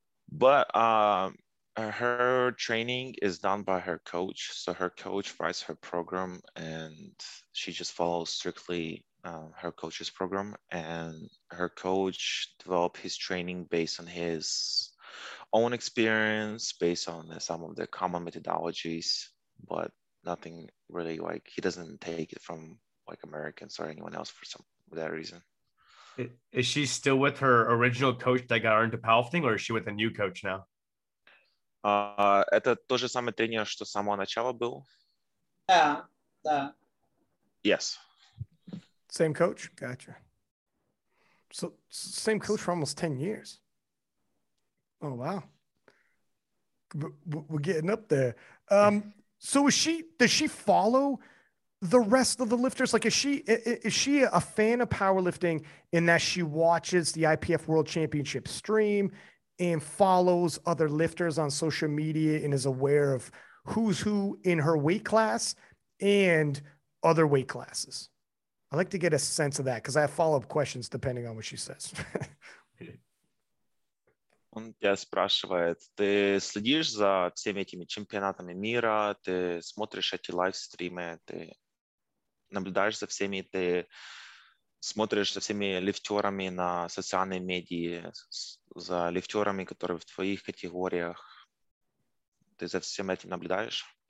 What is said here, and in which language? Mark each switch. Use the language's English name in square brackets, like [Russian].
[English] But her training is done by her coach, so her coach writes her program and she just follows strictly her coach's program, and her coach developed his training based on his own experience, based on some of the common methodologies, but nothing really, like, he doesn't take it from like Americans or anyone else for some for that reason. Is she still with her original coach that got her into powerlifting, or is she with a new coach now? [Russian] Это тоже самый тренер, что с самого начала был? Да, да. [English] Yes. Same coach, gotcha. So same coach for almost 10 years. Oh wow, we're getting up there. So is she? Does she follow the rest of the lifters? Like, is she a fan of powerlifting in that she watches the IPF World Championship stream and follows other lifters on social media and is aware of who's who in her weight class and other weight classes? I'd like to get a sense of that because I have follow-up questions depending on what she says. [Russian] Он тебя спрашивает, ты следишь за всеми этими чемпионатами мира, ты смотришь эти лайв-стримы, ты наблюдаешь за всеми, ты смотришь за всеми лифтерами на социальные медиа, за лифтерами, которые в твоих категориях, ты за всем этим наблюдаешь?